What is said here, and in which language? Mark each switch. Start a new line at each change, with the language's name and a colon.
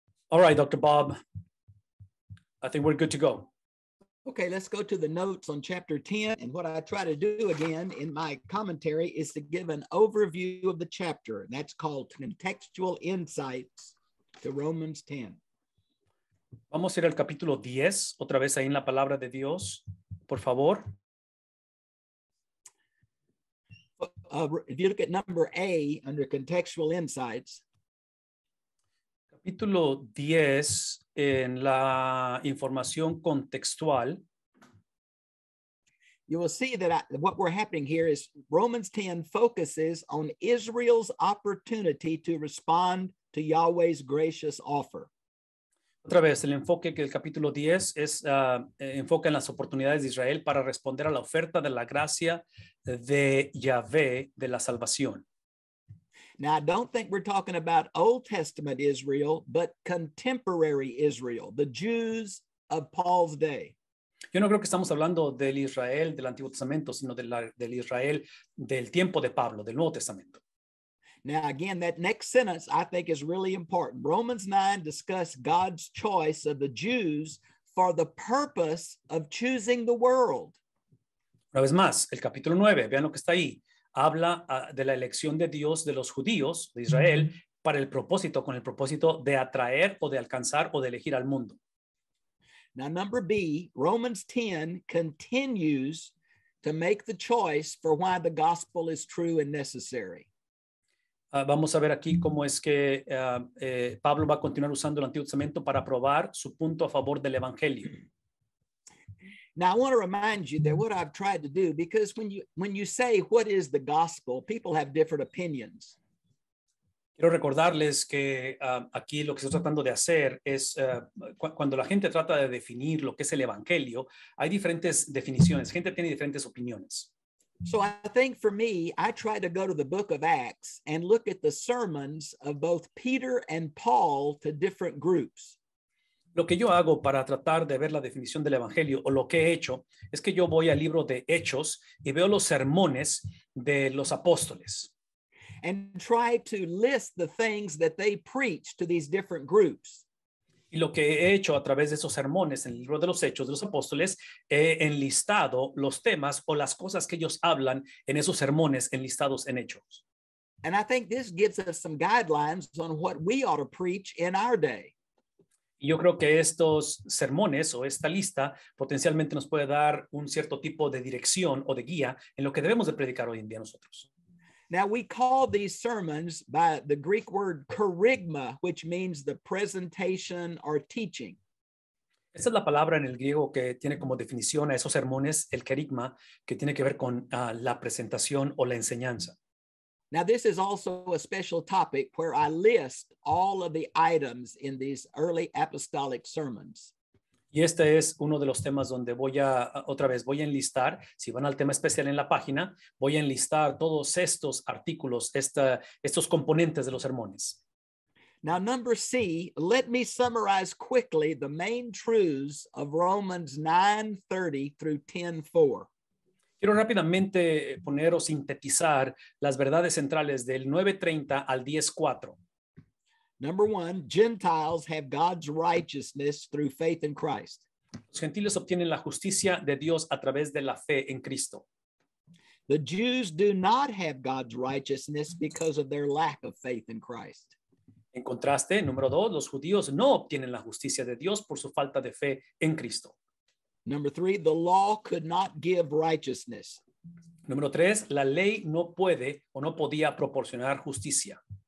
English: All right, Dr. Bob. I think we're good to go. Okay, let's go to the notes on chapter 10. And what I try to do again in my commentary is to give an overview of the chapter. And that's called Contextual Insights to Romans 10.
Spanish: Vamos a ir al capítulo 10, otra vez ahí en la palabra de Dios, por favor.
English: If you look at number A under Contextual Insights.
Spanish: Capítulo 10 en la información contextual.
English: You will see that what we're happening here is Romans 10 focuses on Israel's opportunity to respond to Yahweh's gracious offer.
Spanish: Otra vez, el enfoque que el capítulo 10 es enfoca en las oportunidades de Israel para responder a la oferta de la gracia de Yahvé de la salvación.
English: Now, I don't think we're talking about Old Testament Israel, but contemporary Israel, the Jews of Paul's day.
Spanish: Yo no creo que estamos hablando del Israel del Antiguo Testamento, sino del Israel del tiempo de Pablo, del Nuevo Testamento.
English: Now, again, that next sentence, I think, is really important. Romans 9 discusses God's choice of the Jews for the purpose of choosing the world.
Spanish: Una vez más, el capítulo 9, vean lo que está ahí. Habla de la elección de Dios de los judíos, de Israel, para el propósito, con el propósito de atraer o de alcanzar o de elegir al mundo.
English: Now, number B, Romans 10 continues to make the choice for why the gospel is true and necessary.
Spanish: Vamos a ver aquí cómo es que Pablo va a continuar usando el Antiguo Testamento para probar su punto a favor del Evangelio.
English: Now I want to remind you that what I've tried to do, because when you say what is the gospel, people have different opinions.
Spanish: Quiero recordarles que aquí lo que estoy tratando de hacer es cuando la gente trata de definir lo que es el Evangelio, hay diferentes definiciones. Gente tiene diferentes opiniones.
English: So I think for me, I try to go to the book of Acts and look at the sermons of both Peter and Paul to different groups.
Spanish: Lo que yo hago para tratar de ver la definición del Evangelio, o lo que he hecho, es que yo voy al libro de Hechos y veo los sermones de los apóstoles.
English: And try to list the things that they preach to these different groups.
Spanish: Y lo que he hecho a través de esos sermones en el libro de los Hechos de los Apóstoles, he enlistado los temas o las cosas que ellos hablan en esos sermones enlistados en Hechos.
English: And I think this gives us some guidelines on what we ought to preach in our day.
Spanish: Yo creo que estos sermones o esta lista potencialmente nos puede dar un cierto tipo de dirección o de guía en lo que debemos de predicar hoy en día nosotros.
English: Now we call these sermons by the Greek word kerygma, which means the presentation or teaching.
Spanish: Esa es la palabra en el griego que tiene como definición a esos sermones, el kerygma, que tiene que ver con la presentación o la enseñanza.
English: Now this is also a special topic where I list all of the items in these early apostolic sermons.
Spanish: Y este es uno de los temas donde voy a, otra vez, voy a enlistar, si van al tema especial en la página, voy a enlistar todos estos artículos, estos componentes de los sermones.
English: Now, number C, let me summarize quickly the main truths of Romans 9:30 through 10:4.
Spanish: Quiero rápidamente poner o sintetizar las verdades centrales del 9:30 al 10:4.
English: Number one, Gentiles have God's righteousness through faith in Christ.
Spanish: Los gentiles obtienen la justicia de Dios a través de la fe en Cristo.
English: The Jews do not have God's righteousness because of their lack of faith in Christ.
Spanish: En contraste, número dos, los judíos no obtienen la justicia de Dios por su falta de fe en Cristo.
English: Number three, the law could not give righteousness.
Spanish: Número tres, la ley no puede o no podía proporcionar justicia.